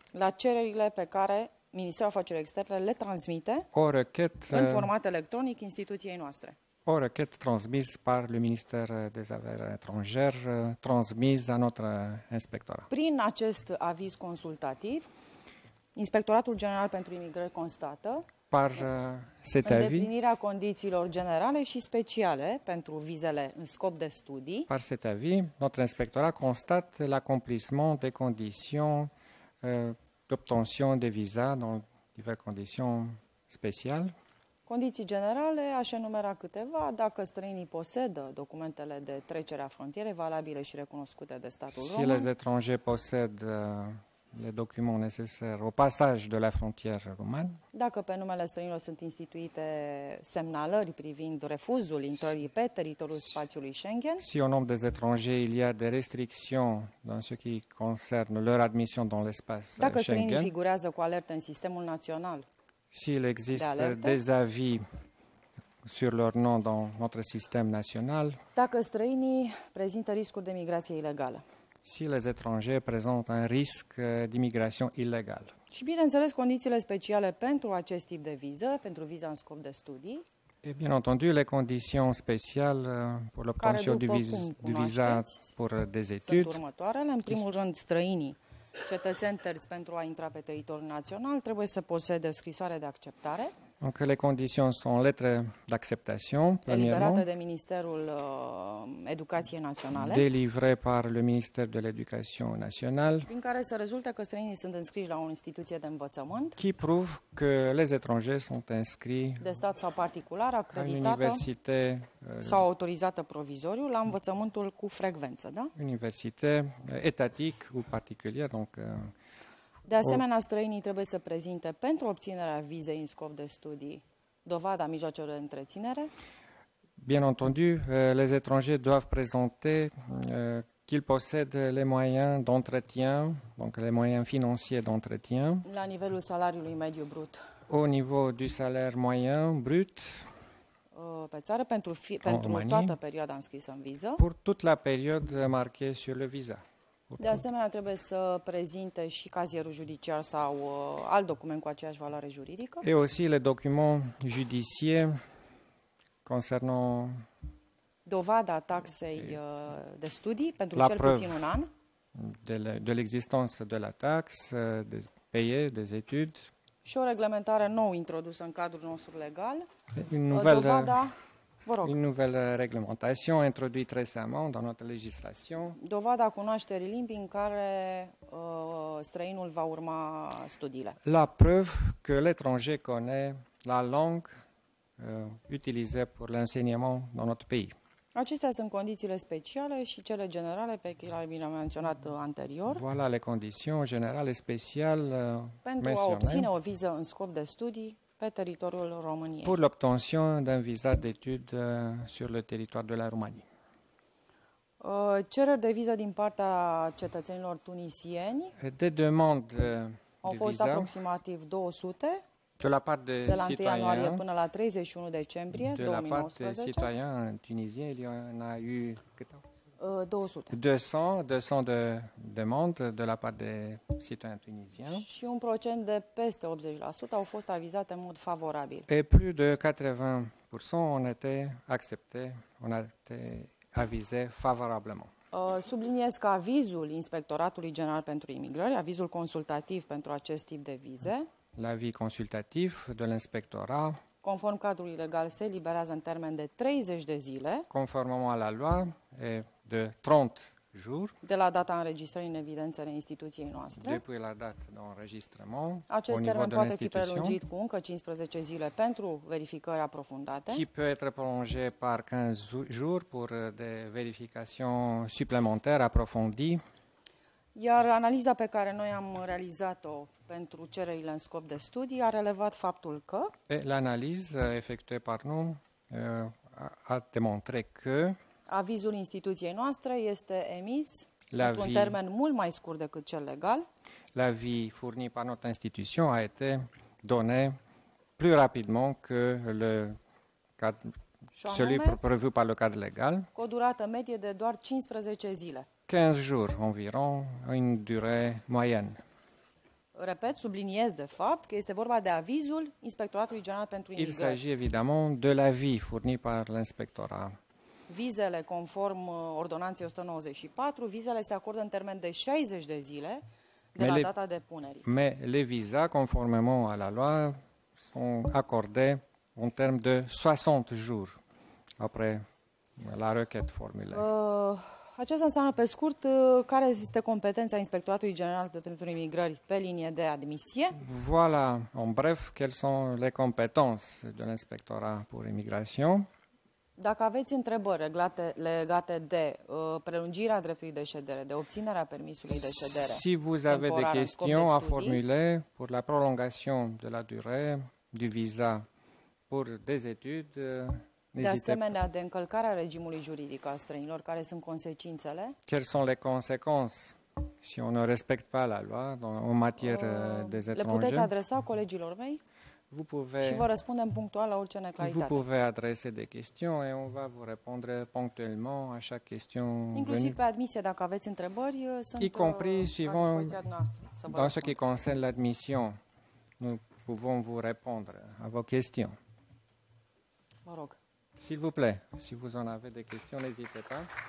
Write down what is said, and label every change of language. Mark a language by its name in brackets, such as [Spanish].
[Romanian] La cererile pe care Ministerul Afacerilor Externe le transmite în format electronic instituției noastre. [French] O requête transmise par le ministère des Affaires étrangères, transmise à notre inspectorat. [Romanian] Prin acest aviz consultativ, Inspectoratul General pentru Imigrări constată [French] par cet avis, [Romanian] îndeplinirea condițiilor generale și speciale pentru vizele în scop de studii. [French] Par cet avis, notre inspectorat constate l'accomplissement des conditions d'obtention de visa dans diverses conditions spéciales. [Romanian] Condiții generale, aș enumera câteva. Dacă străinii posedă documentele de trecere a frontierei valabile și recunoscute de statul român. [French] Si les étrangers possèdent les documents nécessaires au passage de la frontière romane. [Romanian] Dacă pe numele străinilor sunt instituite semnalări privind refuzul intrării pe teritoriul spațiului Schengen. [French] Si au nom des étrangers, il y a des restrictions dans ce qui concerne leur admission dans l'espace Schengen. [Romanian] Dacă străinii figurează cu alertă în sistemul național. [French] S'il existe des avis sur leur nom dans notre système national. [Romanian] Dacă străinii prezintă riscuri de migrație ilegală. [French] Si les étrangers présentent un risque d'immigration illégale. [Romanian] Și bineînțeles condițiile speciale pentru acest tip de viză, pentru viza în scop de studii. [French] Et bien entendu les conditions spéciales pour l'obtention du visa pour des études. [Romanian] Sunt următoarele. În primul rând străinii cetățeni terți pentru a intra pe teritoriul național trebuie să posede scrisoare de acceptare. [French] Donc les conditions sont lettre d'acceptation, [Romanian] eliberată de Ministerul Educației Naționale. [French] Délivrée par le ministère de l'Éducation nationale. [Romanian] Prin care se rezultă că străinii sunt înscriși la o instituție de învățământ. [French] Qui prouve que les étrangers sont inscrits. [Romanian] De stat sau particular acreditată. [French] Université [Romanian] sau autorizată provizoriu la învățământul cu frecvență, da? [French] Université étatique ou particulière, donc [Romanian] de asemenea, străinii trebuie să prezinte pentru obținerea vizei în scop de studii dovada mijloacelor de întreținere. [French] Bien entendu, les étrangers doivent présenter qu'ils possèdent les moyens d'entretien, donc les moyens financiers d'entretien. [Romanian] La nivelul salariului mediu brut. [French] Au niveau du salaire moyen brut. [Romanian] Pe țară pentru toată perioada înscrisă în viză. [French] Pour toute la période marquée sur le visa. [Romanian] De asemenea, trebuie să prezinte și cazierul judiciar sau alt document cu aceeași valoare juridică. [French] Et aussi les documents judiciaires concernant [Romanian] dovada taxei de studii pentru cel puțin un an. [French] De l'existence de la taxe, de payer des études. [Romanian] Și o reglementare nouă introdusă în cadrul nostru legal. [French] Une nouvelle réglementation introduite récemment dans notre législation. [Romanian] Dovada cunoașterii limbii în care străinul va urma studiile. [French] La preuve que l'étranger connaît la langue utilisée pour l'enseignement dans notre pays. [Romanian] Acestea sunt condițiile speciale și cele generale pe care le-am menționat anterior. [French] Voilà les conditions générales spéciales [Romanian] pentru a obține o viză în scop de studii pe teritoriul României. [French] Pour l'obtention d'un visa d'études sur le territoire de la Roumanie. [Romanian] Cereri de viză din partea cetățenilor tunisieni. [French] De demande de visa. [Romanian] Au fost aproximativ 200. [French] De la part de citoyens. [Romanian] De la 1 ianuarie până la 31 decembrie 2019. [French] De la part de citoyens tunisiens, il y en a eu 200 de demandes de la part des citoyens tunisiens. [Romanian] Și un procent de peste 80% au fost avizate în mod favorabil. [French] Et plus de 80% ont été acceptés, ont été avisés favorablement. [Romanian] Subliniez că avizul Inspectoratului General pentru Imigrări, avizul consultativ pentru acest tip de vize, [French] l'avis consultatif de l'inspectorat, [Romanian] conform cadrului legal, se eliberează în termen de 30 de zile. [French] Conformément à la loi, et de 30 jours. [Romanian] De la data înregistrării în evidențele instituției noastre. [French] Depuis la date d'enregistrement. [Romanian] Acest termen poate fi prelungit cu încă 15 zile pentru verificări aprofundate. [French] Qui peut être prolongé par 15 jours pour des vérifications supplémentaires approfondies. [Romanian] Iar analiza pe care noi am realizat-o pentru cererile în scop de studii a relevat faptul că [French] l'analyse effectuée par nous a démontré que [Romanian] avizul instituției noastre este emis într-un termen mult mai scurt decât cel legal. [French] L'avis fourni par notre institution a été donné plus rapidement que le cadre, celui prévu par le cadre légal. [Romanian] Cu o durată medie de doar 15 zile. [French] 15 jours environ, în durée moyenne. [Romanian] Repet, subliniez de fapt că este vorba de avizul Inspectoratului General pentru Imigrări. [French] Il s'agit évidemment de l'avis fourni par l'inspectorat. [Romanian] Vizele conform ordonanței 194, vizele se acordă în termen de 60 de zile de la data depunerii. [French] Mais les visas, conformément à la loi, sont accordés en termes de 60 jours après la requête formulée. [Romanian] Aceasta înseamnă, pe scurt, care este competența Inspectoratului General pentru Imigrări pe linie de admisie? [French] Voilà, en bref, quelles sont les compétences de l'Inspectorat pour Immigration? [Romanian] Dacă aveți întrebări legate de prelungirea dreptului de ședere, de obținerea permisului de ședere, [French] si vous avez des questions à formuler pour la prolongation de la durée du visa pour des études, [Romanian] de asemenea, de încălcarea regimului juridic al străinilor, care sunt consecințele? [French] Quelles sont les conséquences si on ne respecte pas la loi en matière des étrangers? [Romanian] Le puteți adresa colegilor mei? [French] Vous pouvez, [Romanian] și vă răspundem punctual la orice neclaritate. [French] Vous pouvez adresser des questions et on va vous répondre ponctuellement à chaque question. [Romanian] Inclusiv pe admisie, dacă aveți întrebări, sunt [French] y compris suivant, dans ce qui concerne l'admission, nous pouvons vous répondre à vos questions. [Romanian] Mă rog. [French] S'il vous plaît, si vous en avez des questions, n'hésitez pas.